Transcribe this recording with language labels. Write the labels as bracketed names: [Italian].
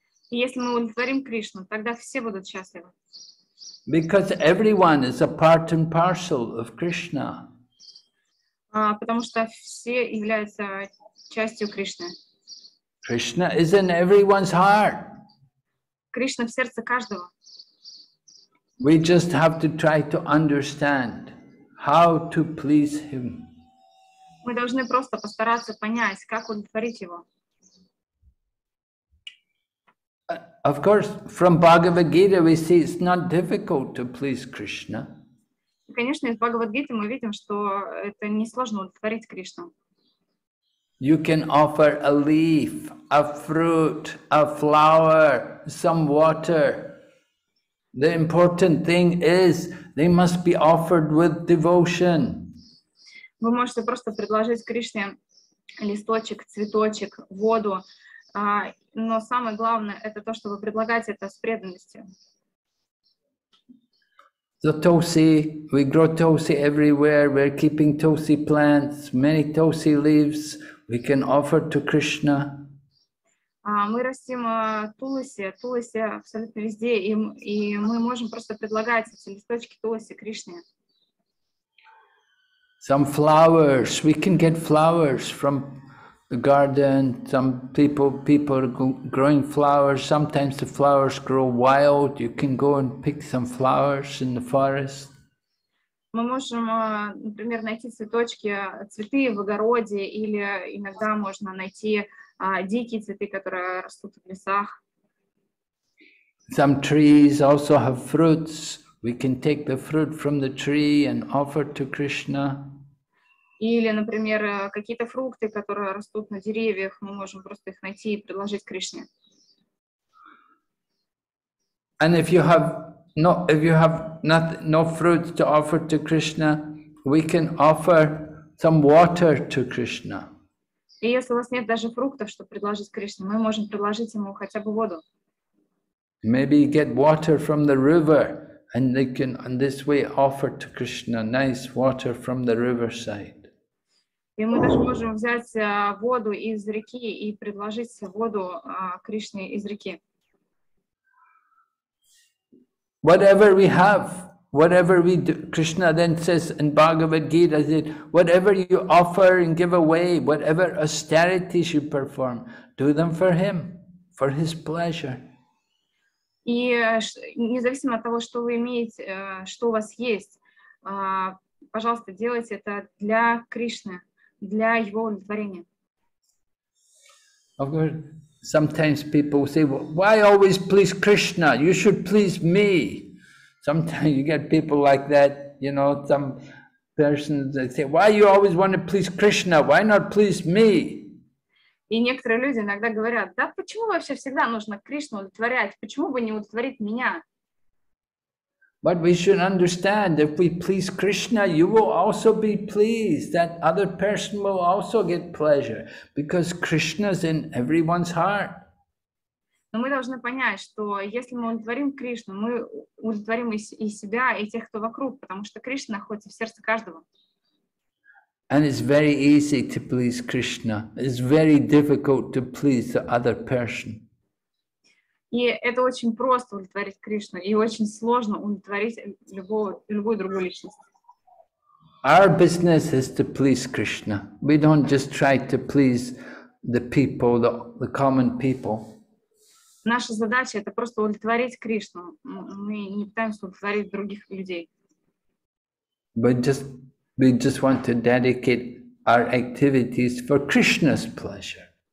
[Russian] Если мы удовлетворим Кришну, тогда все будут счастливы. [English] Because everyone is a part and parcel of Krishna. [Russian] Потому что все являются частью Кришны. [English] Krishna is in everyone's heart. [Russian] Кришна в сердце каждого. [English] We just have to try to understand how to please Him. [Russian] Мы должны просто постараться понять, как удовлетворить Его. [English] Of course, from Bhagavad Gita we see it's not difficult to please Krishna. [Russian] Конечно, из Бхагавад Гиты мы видим, что это несложно удовлетворить Кришну. [English] You can offer a leaf, a fruit, a flower, some water. The important thing is they must be offered with devotion. [Russian] Вы можете просто предложить Кришне листочек, цветочек, воду. Но самое главное – это то, что вы предлагаете это с преданностью. [English] The tulsi, we grow tulsi everywhere, we're keeping tulsi plants, many tulsi leaves we can offer to Krishna. [Russian] Мы растим тулоси абсолютно везде, и мы можем просто предлагать эти листочки тулоси Кришне. [English] Some flowers, we can get flowers from the garden, some people growing flowers, sometimes the flowers grow wild, you can go and pick some flowers in the forest. [Russian] Мы можем, например, найти цветочки, цветы в огороде, или иногда можно найти дикие цветы, которые растут в лесах. [English] Some trees also have fruits, we can take the fruit from the tree and offer to Krishna. [Russian] Или, например, какие-то фрукты, которые растут на деревьях, мы можем просто их найти и предложить Кришне. [English] And if you have no fruits to offer to Krishna, we can offer some water to Krishna. [Russian] И если у вас нет даже фруктов, чтобы предложить Кришне, мы можем предложить ему хотя бы воду. [English] Maybe get water from the river, and they can in this way offer to Krishna nice water from the riverside. [Russian] И мы даже можем взять воду из реки и предложить воду Кришне из реки. [English] Whatever we have, whatever we do, Krishna then says in Bhagavad Gita, whatever you offer and give away, whatever austerities you perform, do them for Him, for His pleasure. [Russian] И независимо от того, что вы имеете, что у вас есть, пожалуйста, делайте это для Кришны. Для его удовлетворения. [English] Of course, sometimes people say, why always please Krishna? You should please me. Sometimes you get people like that, you know, some persons that say, why you always want to please Krishna? Why not please me? [Russian] И некоторые люди иногда говорят, да почему вообще всегда нужно Кришну удовлетворять? Почему бы не удовлетворить меня? [English] But we should understand if we please Krishna, you will also be pleased. That other person will also get pleasure because Krishna is in everyone's heart. [Russian] Но мы должны понять, что если мы удовлетворим Кришну, мы удовлетворим и себя, и тех, кто вокруг, потому что Кришна находится в сердце каждого. [English] And it's very easy to please Krishna. It's very difficult to please the other person. [Russian] И это очень просто удовлетворить Кришну, и очень сложно удовлетворить любую другую личность. [English] Our business is to please Krishna. We don't just try to please the people, the common people. [Russian] Наша задача это просто удовлетворить Кришну. Мы не пытаемся удовлетворить других людей. [English] We just want to dedicate our activities for Krishna's pleasure.